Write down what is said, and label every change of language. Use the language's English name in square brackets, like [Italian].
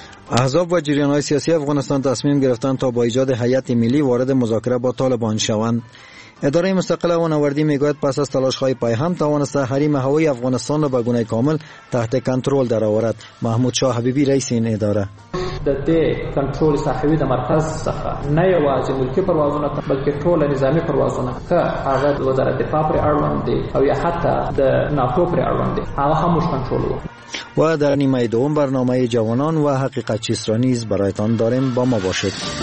[Persian] احزاب و جریان‌های سیاسی افغانستان تصمیم گرفتند تا با ایجاد هیئت ملی وارد مذاکره با طالبان شوند. اداره مستقل اونوردی میگوید پس از تلاش‌های پیهم توانسته حریم هوایی افغانستان را به گونه کامل تحت کنترل درآورد. محمود شاه حبیبی رئیس این اداره: [Pashto] د دې کنټرول صاحبي د مرکز څخه نه یوازې ملکي پروازونه بلکې ټول نظامي پروازونه که هغه د وزارت دفاع پر اړوند دي او یا حتی د ناتو پر اړوند دي هغه هم کنټرول وو. [Persian] و در نیمه دوم برنامه جوانان و حقیقت چیز را نیز برایتان داریم، با ما باشید.